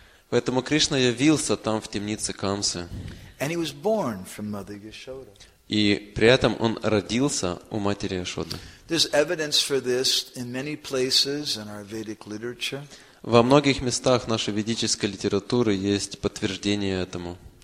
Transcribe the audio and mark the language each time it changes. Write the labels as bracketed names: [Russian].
[Russian] Поэтому Кришна явился там, в темнице Камсы. [English] And he was born from Mother Yashoda. [Russian] И при этом он родился у матери Яшоды. [English] There's evidence for this in many places in our Vedic literature. [Russian] Во многих местах нашей ведической литературы есть подтверждение этому.